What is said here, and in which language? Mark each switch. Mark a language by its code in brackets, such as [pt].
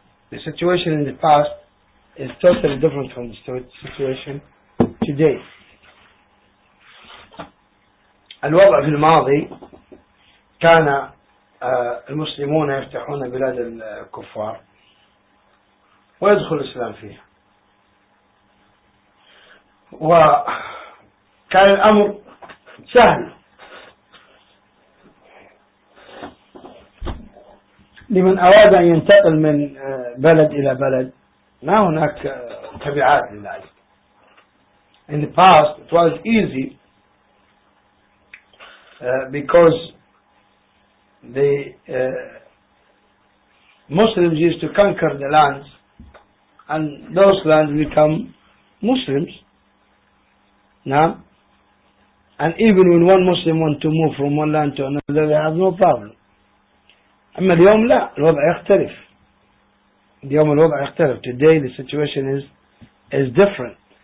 [en] The situation in the past is totally different from the situation today. [ar] الوضع في الماضي كان المسلمون يفتحون بلاد الكفار ويدخل الإسلام فيها، وكان الأمر سهل لمن أراد أن ينتقل من بلد إلى بلد، ما هناك تبعات لذلك. [en] In the past it was easy because the Muslims used to conquer the lands, and those lands become Muslims. Now, and even when one Muslim wants to move from one land to another, they have no problem. [ar] أما اليوم لا، الوضع يختلف. اليوم الوضع يختلف. [en] Today the situation is different.